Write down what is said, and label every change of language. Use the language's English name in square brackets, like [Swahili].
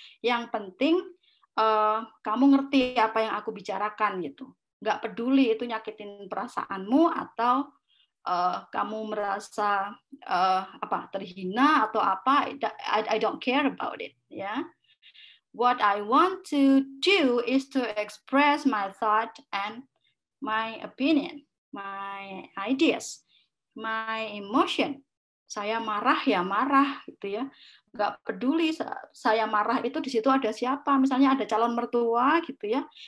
[Indonesian] Yang penting kamu ngerti apa yang aku bicarakan gitu. Nggak peduli itu nyakitin perasaanmu atau kamu merasa terhina atau apa. [English] I don't care about it. Ya. Yeah. What I want to do is to express my thought and my opinion, my ideas, my emotion. [Indonesian] Saya marah ya marah gitu ya. Enggak peduli saya marah itu di situ ada siapa, misalnya ada calon mertua gitu ya.